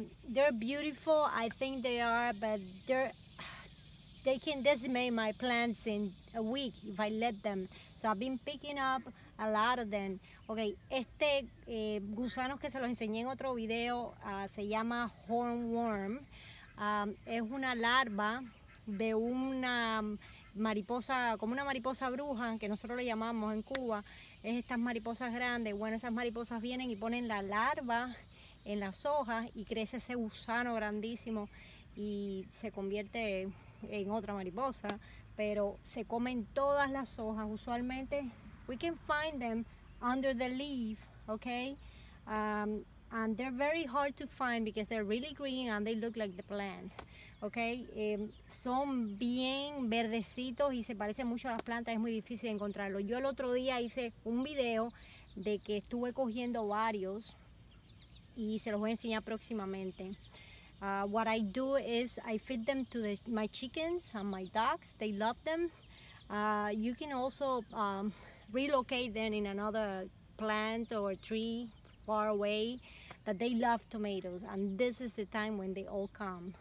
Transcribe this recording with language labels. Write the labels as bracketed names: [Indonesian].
[English] They're beautiful, I think they are, but they can decimate my plants in a week if I let them. So I've been picking up a lot of them. [Spanish] Okay, gusano que se los enseñé en otro video se llama hornworm. Es una larva de una mariposa, como una mariposa bruja, que nosotros le llamamos en Cuba, es estas mariposas grandes. Bueno, esas mariposas vienen y ponen la larva en las hojas y crece ese gusano grandísimo y se convierte en otra mariposa, pero se comen todas las hojas. [English] Usualmente, we can find them under the leaf, okay? And they're very hard to find because they're really green and they look like the plant. [Spanish] Okay, son bien verdecitos y se parecen mucho a las plantas, es muy difícil encontrarlos. Yo el otro día hice un video de que estuve cogiendo varios y se los voy a enseñar próximamente. [English] What I do is I feed them to my chickens and my dogs, they love them. You can also relocate them in another plant or tree far away. But they love tomatoes, and this is the time when they all come.